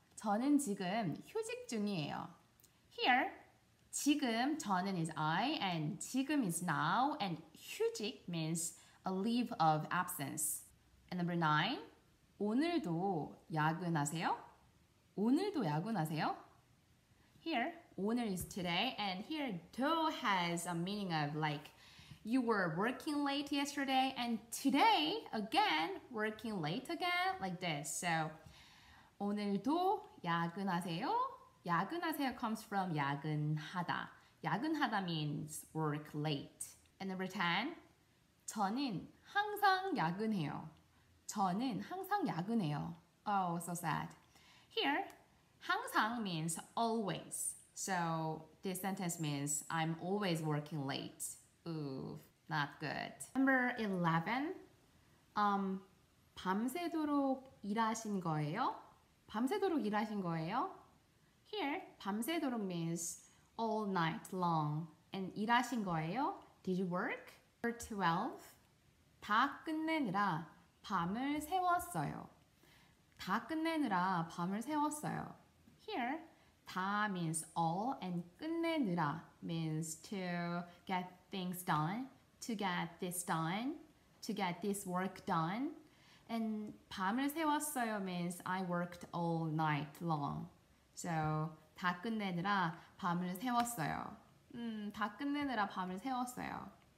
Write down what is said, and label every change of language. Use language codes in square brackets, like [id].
[ko] 저는 지금 휴직 중이에요. [en] Here, 지금 저는 is I, and 지금 is now, and 휴직 means a leave of absence. And number 9, [ko] 오늘도 야근하세요? 오늘도 야근하세요? [en] Here, 오늘 is today, and here, 도 has a meaning of like, you were working late yesterday, and today, again, working late again, like this. [ko] So, 오늘도 야근하세요? [en] 야근하세요 comes from 야근하다. 야근하다 means work late. And number 10, [ko] 저는 항상 야근해요. 저는 항상 야근해요. [en] Oh, so sad. Here, 항상 means always. So, this sentence means I'm always working late. Oof, not good. Number 11. [ko] 밤새도록 일하신 거예요? 밤새도록 일하신 거예요? [en] Here, 밤새도록 means all night long. And [ko] 일하신 거예요? [en] Did you work? Number 12. [ko] 다 끝내느라 밤을 새웠어요. 다 끝내느라 밤을 새웠어요. [en] Here, 다 means all, and 끝내느라 means to get things done, to get this done, to get this work done. And [ko] 밤을 새웠어요 [en] means I worked all night long. [ko] So, 다 끝내느라 밤을 새웠어요. 다 끝내느라 밤을 새웠어요.